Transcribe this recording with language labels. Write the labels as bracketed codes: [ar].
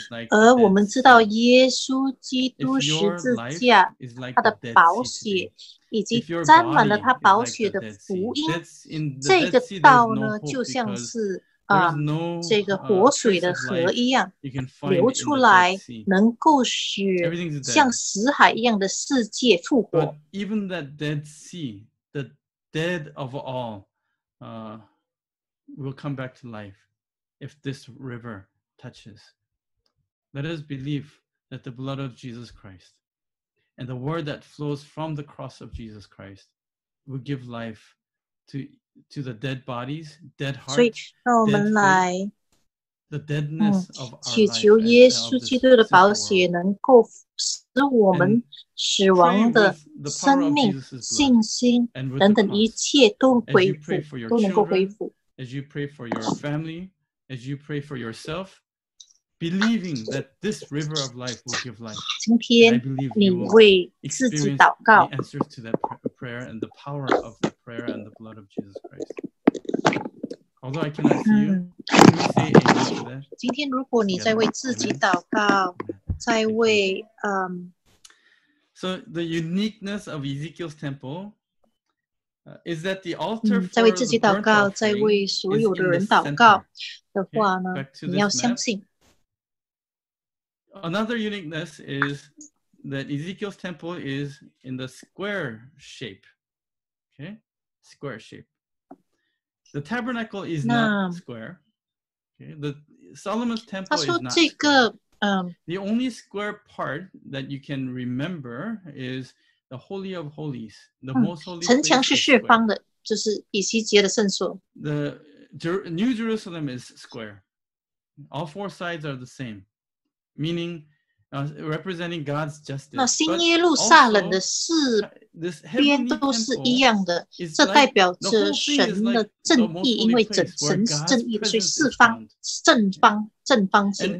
[zh] 而我们知道耶稣基督十字架，他的宝血以及沾满了他宝血的福音，这个道呢，就像是这个活水的河一样流出来，能够使像死海一样的世界复活。 [en] But even that dead sea, the dead of all, will come back to life if this river touches. Let us believe that the blood of Jesus Christ and the word that flows from the cross of Jesus Christ will give life to the dead bodies, dead hearts. [zh] 所以，让我们来 [en] the deadness of our [zh] 祈求耶稣基督的宝血能够使我们死亡的生命、信心等等一切都恢复，都能够恢复。 [en] As you pray for your family, as you pray for yourself, believing that this river of life will give life. [zh] 今天你为自己祷告。 [en] The answers to that prayer and the power of the prayer and the blood of Jesus Christ. Although I cannot see you, can you say amen to that? [zh] 今天如果你在为自己祷告，在为 [en] So the uniqueness of Ezekiel's temple is that the altar for [zh] 在为自己祷告，在为所有的人祷告的话呢， [en] okay, [zh] 你要相信。 [en] Another uniqueness is that Ezekiel's temple is in the square shape. Okay? Square shape. The tabernacle is not square. Okay? The Solomon's temple is not square. The only square part that you can remember is the Holy of Holies, the most holy place. [zh] 城墙是四方的，就是以西结的圣所。 [en] The New Jerusalem is square. All four sides are the same. Meaning, representing God's justice. [zh] 那新耶路撒冷的四边都是一样的，这代表着神的正义，因为神是正义，所以四方正方正方形。